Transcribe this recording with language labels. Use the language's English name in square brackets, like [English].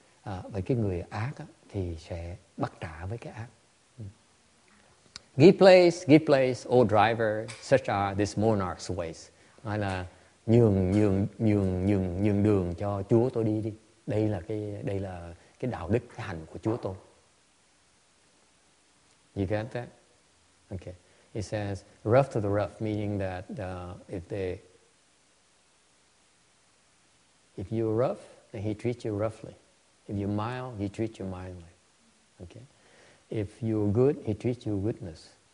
[Vietnamese] Với cái người ác thì sẽ bắt trả với cái ác. [English] Give place, O driver, such are this monarch's ways. [Vietnamese] Nói là nhường đường cho Chúa tôi đi. Đây là cái đạo đức, cái hành của Chúa tôi. [English] You get that? Okay. He says, rough to the rough, meaning that if you're rough, then he treats you roughly. If you're mild, he treats you mildly. Okay. If you're good, he treats you goodness.